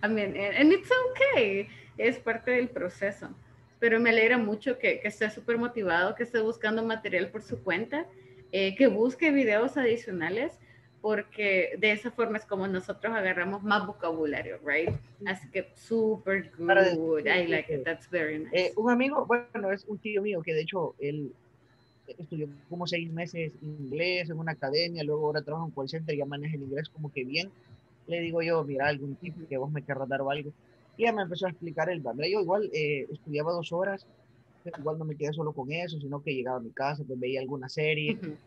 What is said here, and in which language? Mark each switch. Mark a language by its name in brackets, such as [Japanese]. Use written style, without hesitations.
[English] I mean, and it's okay, [Spanish] es parte del proceso. Pero me alegra mucho que esté súper motivado, que esté buscando material por su cuenta, que busque videos adicionales, porque de esa forma es como nosotros agarramos más vocabulario, right? Así que súper [English] good, I like it, that's very nice. [Spanish] Un amigo, bueno, es un tío mío que de hecho él estudió como 6 meses inglés en una academia, luego ahora trabaja en call center y ya maneja el inglés como que bien. Le digo yo, mira, algún tipo que vos me querrás dar o algo. Y ya me empezó a explicar el bambre. Yo igual estudiaba 2 horas, igual no me quedé solo con eso, sino que llegaba a mi casa, pues veía alguna serie,